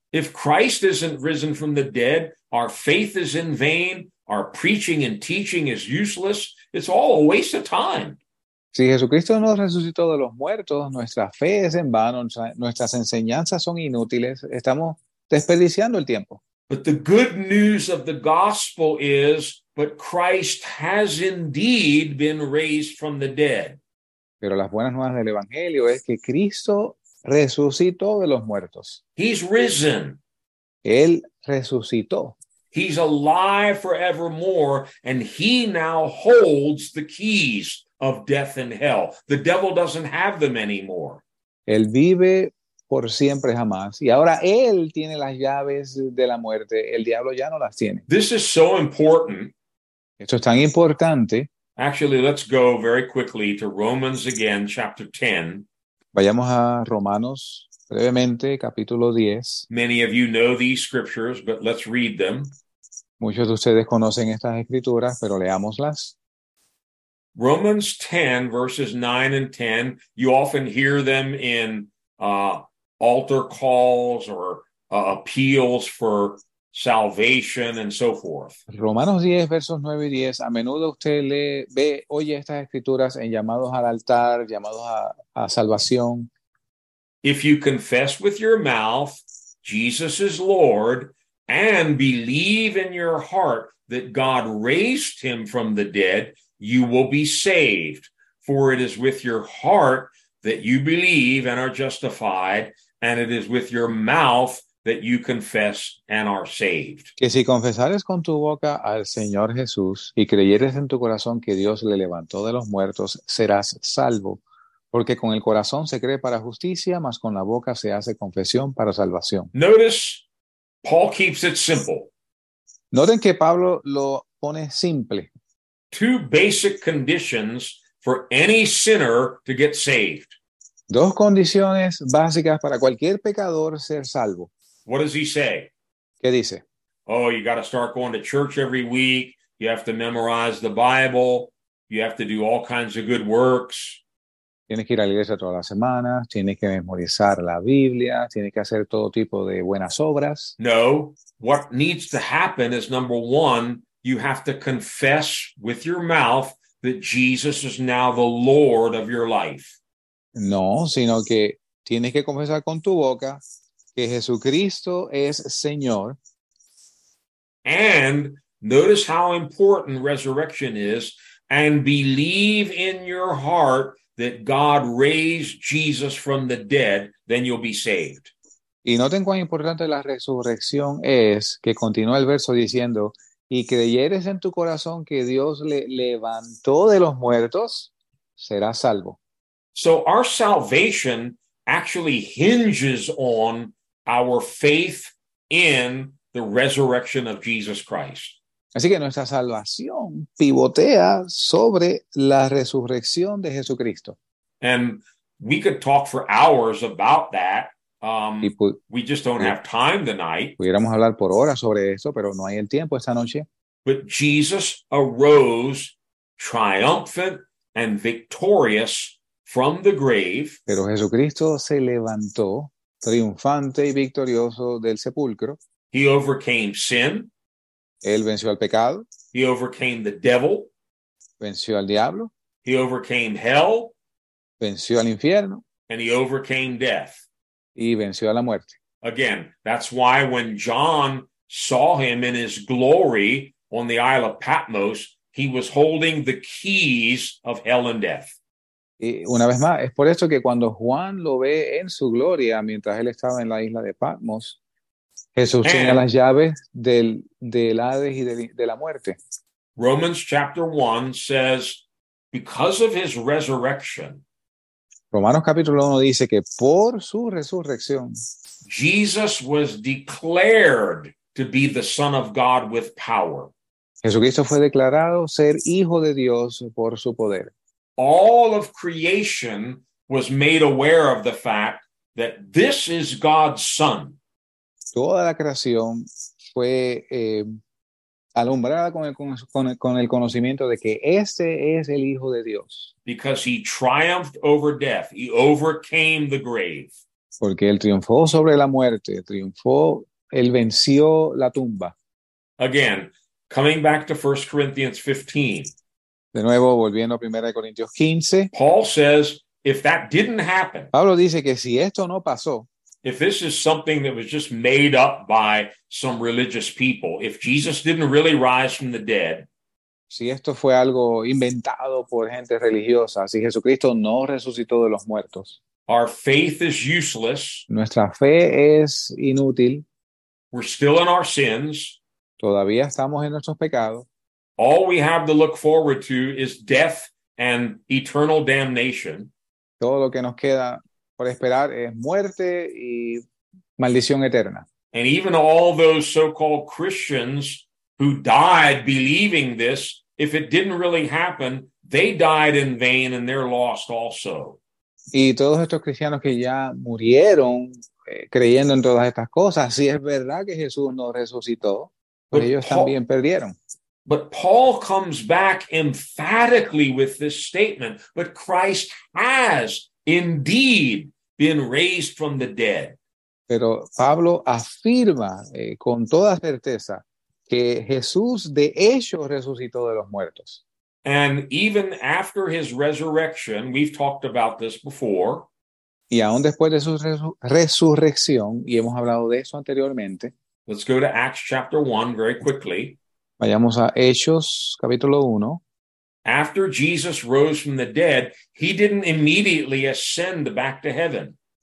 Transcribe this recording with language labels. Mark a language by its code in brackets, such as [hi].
[en] If Christ isn't risen from the dead, our faith is in vain, our preaching and teaching is useless. It's all a waste of time. [es] Si Jesucristo no resucitó de los muertos, nuestra fe es en vano, nuestras enseñanzas son inútiles. Estamos desperdiciando el tiempo. [en] But the good news of the gospel is, but Christ has indeed been raised from the dead. [es] Pero las buenas nuevas del evangelio es que Cristo resucitó de los muertos. [en] He's risen. [es] Él resucitó. [en] He's alive forevermore, and he now holds the keys of death and hell. The devil doesn't have them anymore. [es] Él vive por siempre jamás, y ahora él tiene las llaves de la muerte. El diablo ya no las tiene. [en] This is so important. [es] Esto es tan importante. [en] Actually, let's go very quickly to Romans again, chapter 10. [es] Vayamos a Romanos brevemente, capítulo 10. [en] Many of you know these scriptures, but let's read them. [es] Muchos de ustedes conocen estas escrituras, pero leámoslas. [en] Romans 10, verses 9 and 10. You often hear them in altar calls or appeals for salvation and so forth. [es] Romanos 10, versos 9 y 10. A menudo usted oye estas escrituras en llamados al altar, llamados a salvación. [en] If you confess with your mouth Jesus is Lord and believe in your heart that God raised him from the dead, you will be saved. For it is with your heart that you believe and are justified, and it is with your mouth that you confess and are saved. [es] Que si confesares con tu boca al Señor Jesús y creyeres en tu corazón que Dios le levantó de los muertos, serás salvo. Porque con el corazón se cree para justicia, mas con la boca se hace confesión para salvación. [en] Notice, Paul keeps it simple. [es] Noten que Pablo lo pone simple. [en] Two basic conditions for any sinner to get saved. [es] Dos condiciones básicas para cualquier pecador ser salvo. [en] What does he say? [es] ¿Qué dice? [en] Oh, you got to start going to church every week. You have to memorize the Bible. You have to do all kinds of good works. [es] Tienes que ir a la iglesia todas las semanas, tienes que memorizar la Biblia, tienes que hacer todo tipo de buenas obras. [en] No, what needs to happen is, number one, you have to confess with your mouth that Jesus is now the Lord of your life. [es] No, sino que tienes que confesar con tu boca que Jesucristo es Señor. [en] And notice how important resurrection is, and believe in your heart that God raised Jesus from the dead, then you'll be saved. [es] Y noten cuán importante la resurrección es, que continúa el verso diciendo, y creyeres en tu corazón que Dios le levantó de los muertos, serás salvo. [en] So our salvation actually hinges on our faith in the resurrection of Jesus Christ. [es] Así que nuestra salvación pivotea sobre la resurrección de Jesucristo. [en] And we could talk for hours about that. We just don't have time tonight. [es] Pudiéramos hablar por horas sobre eso, pero no hay el tiempo esta noche. [en] But Jesus arose triumphant and victorious from the grave. [es] Pero Jesucristo se levantó triunfante y victorioso del sepulcro. [en] He overcame sin. [es] Él venció al pecado. [en] He overcame the devil. [es] Venció al diablo. [en] He overcame hell. [es] Venció al infierno. [en] And he overcame death. [es] Y venció a la muerte. [en] Again, that's why when John saw him in his glory on the Isle of Patmos, he was holding the keys of hell and death. [es] Y una vez más, es por esto que cuando Juan lo ve en su gloria mientras él estaba en la isla de Patmos, Jesús tiene las llaves del Hades y de la muerte. [en] Romans chapter 1 says, because of his resurrection. [es] Romanos capítulo 1 dice que por su resurrección. [en] Jesus was declared to be the Son of God with power. [es] Jesucristo fue declarado ser Hijo de Dios por su poder. [en] All of creation was made aware of the fact that this is God's Son. [es] Toda la creación fue alumbrada con el conocimiento de que este es el Hijo de Dios. [en] Because he triumphed over death, he overcame the grave. [es] Porque él triunfó sobre la muerte, triunfó, él venció la tumba. [en] Again, coming back to 1 Corinthians 15. [es] De nuevo, volviendo a 1 Corintios 15. [en] Paul says, if that didn't happen. [es] Pablo dice que si esto no pasó. [en] If this is something that was just made up by some religious people, if Jesus didn't really rise from the dead, [es] si esto fue algo inventado por gente religiosa, si Jesucristo no resucitó de los muertos, [en] Our faith is useless. [es] Nuestra fe es inútil. [en] We're still in our sins. [es] Todavía estamos en nuestros pecados. [en] All we have to look forward to is death and eternal damnation. [es] Todo lo que nos queda por esperar es muerte y maldición eterna. [en] And even all those so-called Christians who died believing this, if it didn't really happen, they died in vain and they're lost also. [es] Y todos estos cristianos que ya murieron creyendo en todas estas cosas, si es verdad que Jesús no resucitó, pues ellos también perdieron. [en] But Paul comes back emphatically with this statement, but Christ has indeed been raised from the dead. [es] Pero Pablo afirma con toda certeza que Jesús de hecho resucitó de los muertos. [en] And even after his resurrection, we've talked about this before. [es] Y aún después de su resurrección, y hemos hablado de eso anteriormente. [en] Let's go to Acts chapter 1 very quickly. [es] Vayamos a Hechos capítulo 1. [en] After Jesus rose from the dead, he didn't immediately ascend back to heaven.